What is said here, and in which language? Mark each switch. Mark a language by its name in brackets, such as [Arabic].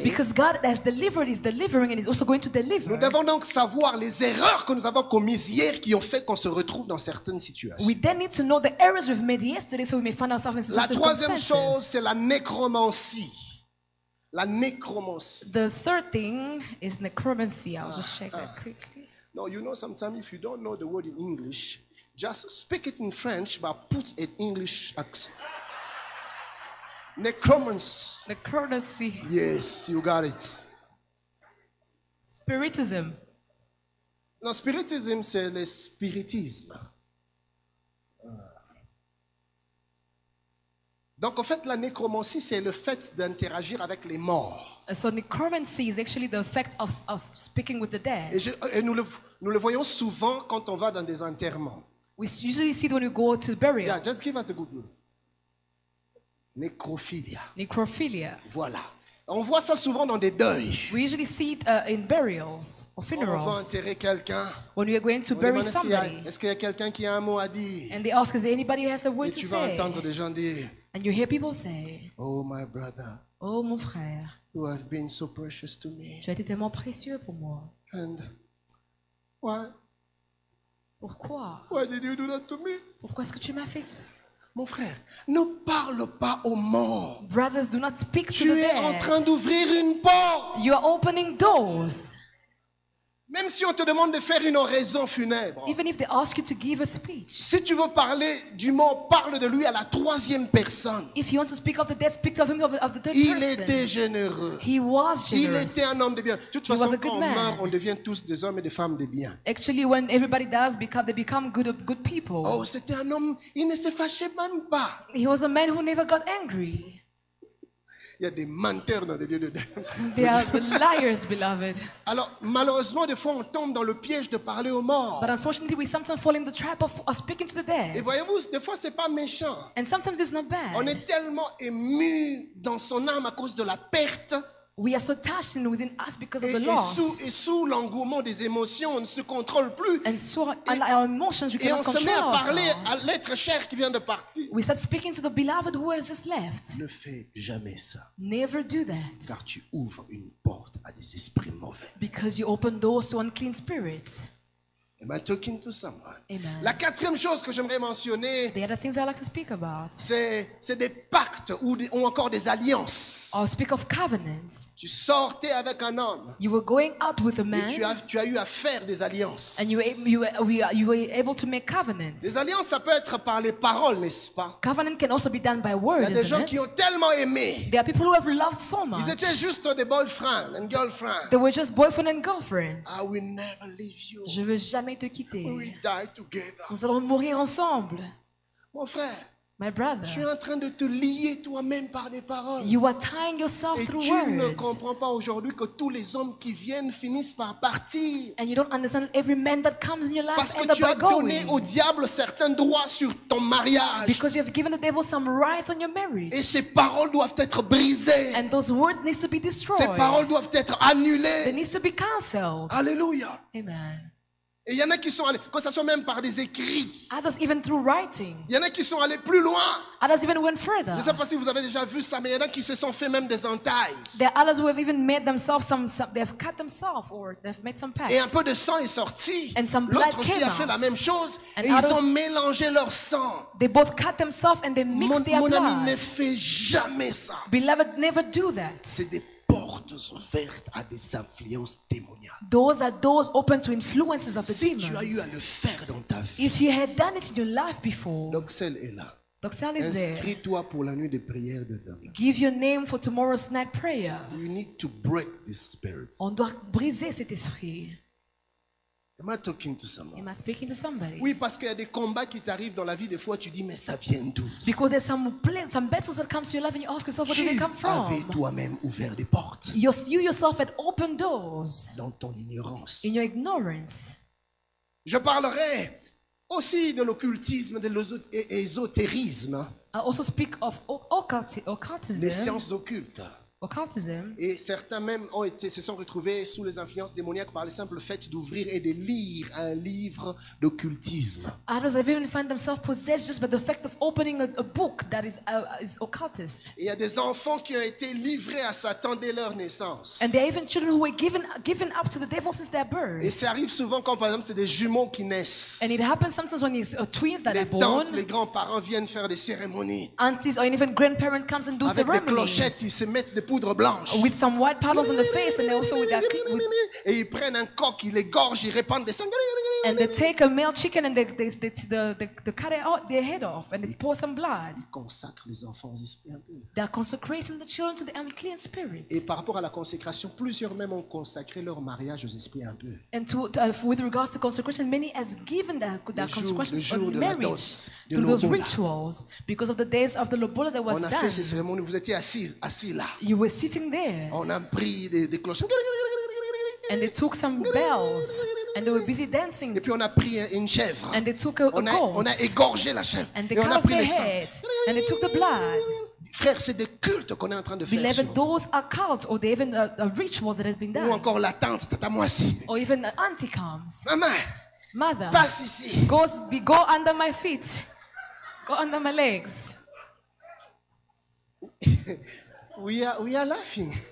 [English] Because God has delivered, is delivering, and is also going to deliver. [French] Nous devons donc savoir les erreurs que nous avons commises hier qui ont fait qu'on se retrouve dans certaines situations. [English] We then need to know the errors we've made yesterday so we may find ourselves in certain circumstances. [French] La troisième chose, c'est la nécromancie. La nécromancie. [English] The third thing is necromancy. I'll just check that quickly. No, you know, sometimes if you don't know the word in English, just speak it in French, but put an English accent. Necromancy. Necromancy. Yes, you got it. Spiritism. No, spiritism, [French] c'est le spiritisme. Donc en fait, la nécromancie, c'est le fait d'interagir avec les morts. [English] So necromancy is actually the effect of speaking with the dead. [French] Et nous le voyons souvent quand on va dans des enterrements. [English] We usually see it when we go to burial. Yeah, just give us the good news. Nécrophilia. Necrophilia. [French] Voilà. On voit ça souvent dans des deuils. [English] We usually see it in burials or funerals. [French] On va enterrer quelqu'un. [English] When we are going to bury somebody. [French] Est-ce qu'il y a quelqu'un qui a un mot à dire? [English] And they ask, is there anybody who has a word to say? [French] Et tu vas entendre des gens dire. [English] And you hear people say, oh my brother, [French] oh mon frère, [English] you have been so precious to me. [French] Tu as été tellement précieux pour moi. [English] And why? [French] Pourquoi? [English] Why did you do that to me? [French] Pourquoi est-ce que tu m'as fait ça? Mon frère, ne parle pas aux morts. [English] Brothers, do not speak [French] tu [English] to the dead. [French] Tu es en train d'ouvrir une porte. [English] You are opening doors. [French] Même si on te demande de faire une oraison funèbre. [English] Even if they ask you to give a speech. [French] Si tu veux parler du mort, parle de lui à la troisième personne. [English] If you want to speak of the dead, speak of him of the third person. [French] Il était généreux. [English] He was generous. [French] Il était un homme de bien. De toute façon, quand on meurt, on devient tous des hommes et des femmes de bien. [English] Actually, when everybody dies, they become good people. [French] Oh, c'était un homme, il ne se fâchait même pas. [English] He was a man who never got angry. [French] Il y a des menteurs dans les dieux de Dieu. [English] They are the liars, beloved. [French] Alors, malheureusement, des fois, on tombe dans le piège de parler aux morts. [English] But unfortunately, we sometimes fall in the trap of speaking to the dead. [French] Et voyez-vous, des fois, c'est pas méchant. [English] And sometimes it's not bad. [French] On est tellement ému dans son âme à cause de la perte. [English] We are so touched within us because of the loss. [French] Et sous l'engouement des émotions, on ne se contrôle plus. [English] And so our emotions, we cannot control. [French] Et on se met à parler à l'être cher qui vient de partir. [English] We start speaking to the beloved who has just left. [French] Ne fais jamais ça. [English] Never do that. [French] Car tu ouvres une porte à des esprits mauvais. [English] Because you open doors to unclean spirits. Am I talking to someone? Amen. [French] La quatrième chose que j'aimerais mentionner, [English] the other things I like to speak about, [French] c'est des pactes ou encore des alliances. [English] I'll speak of covenants. [French] Tu sortais avec un homme. [English] You were going out with a man. [French] Et tu as eu à faire des alliances. [English] And you were able to make covenants. [French] Des alliances, ça peut être par les paroles, n'est-ce pas? [English] Covenant can also be done by words. [French] Il y a des gens qui ont tellement aimé. [English] There are people who have loved so much. [French] Ils étaient juste des [English] boyfriends and girlfriends. They were just boyfriend and girlfriends. I will never leave you. [French] Je veux jamais te quitter. [English] We will die together. [French] Nous allons mourir ensemble. Mon frère, [English] my brother, [French] tu es en train de te lier toi-même par des paroles. [English] You are tying yourself [French] et [English] through [French] tu [English] words. [French] Ne comprends pas aujourd'hui que tous les hommes qui viennent finissent par partir. [English] And you don't understand every man that comes in your life. [French] Parce que tu as donné au diable certains droits sur ton mariage. [English] Because you have given the devil some rights on your marriage. [French] Et ces paroles doivent être brisées. [English] And those words need to be destroyed. [French] Ces paroles doivent être annulées. [English] They need to be cancelled. [French] Alléluia. [English] Amen. [French] Et il y en a qui sont allés, que ce soit même par des écrits. [English] Others even through writing. [French] Il y en a qui sont allés plus loin. [English] Others even went further. [French] Je ne sais pas si vous avez déjà vu ça, mais il y en a qui se sont fait même des entailles. [English] There are others who have even made themselves some they have cut themselves or they've made some pacts. [French] Et un peu de sang est sorti. [English] And some blood came out. [French] L'autre aussi a fait la même chose. [English] And [French] et others, ils ont mélangé leur sang. [English] They both cut themselves and they mixed [French] mon, [English] their blood. [French] Mon ami, ne fait jamais ça. [English] Beloved, never do that. [French] C'est des portes ouvertes à des influences démoniaques. [English] Those are doors open to influences of the [French] si [English] demons. [French] Si tu as eu à le faire dans ta vie. [English] If you had done it in your life before. [French] Doxel est là. [English] Doxel is there. [French] Inscris-toi pour la nuit de prière de demain. [English] Give your name for tomorrow's night prayer. You need to break this spirit. [French] On doit briser cet esprit. [English] Am I talking to someone? Am I speaking to somebody? [French] Oui, parce qu'il y a des combats qui t'arrivent dans la vie. Des fois, tu dis, mais ça vient d'où? [English] Because there's some battles that come to your life, and you ask yourself, where did it come from? [French] Tu avais toi-même ouvert des portes. [English] You yourself had opened doors. [French] Dans ton ignorance. [English] In your ignorance. [French] Je parlerai aussi de l'occultisme, de l'ésotérisme. [English] I also speak of occultism. [French] Les sciences occultes. [English] Occultism. [French] Et certains même se sont retrouvés sous les influences démoniaques par le simple fait d'ouvrir et de lire un livre d'occultisme. [English] Others have even found themselves possessed just by the fact of opening a book that is occultist. [French] Il y a des enfants qui ont été livrés à Satan dès leur naissance. [English] And there are even children who were given up to the devil since their birth. [French] Et ça arrive souvent quand par exemple c'est des jumeaux qui naissent. [English] And it happens sometimes when it's twins that [French] les [English] are born. [French] Les grands-parents viennent faire des cérémonies. [English] Aunties or even grandparents comes and do [French] avec [English] ceremonies. [French] Avec des clochettes, ils se mettent des poudre blanche. [English] With some white powders on the face and they also with that. [French] Et ils prennent un coq, ils les gorgent, ils répandent des sang. [English] And they take a male chicken and they cut it out, their head off and they pour some blood. [French] Ils consacrent les enfants aux esprits impurs. [English] They are consecrating the children to the unclean spirits. [French] Et par rapport à la consécration, plusieurs même ont consacré leur mariage aux esprits impurs. [English] And with regards to consecration, many has given their consecration to marriage through those rituals because of the days of the lobola that was done. [French] On a fait ces cérémonies, vous étiez assis là. [English] You were sitting there. [French] On a pris des cloches. [English] And they took some bells. And they were busy dancing. [French] Et puis on a pris une chèvre. [English] And they took a goat. [French] On a égorgé la chèvre. [English] And they cut off their heads. And they took the blood. [French] Frère, c'est des cultes qu'on est en train de faire. [English] Beloved, those are cults or even the rituals that has been done. [French] Ou encore la tante, tata moisi. [English] Or even the auntie comes. [French] Maman. [English] Mother. [French] Passe ici. [English] Go under my feet. Go under my legs. We are laughing.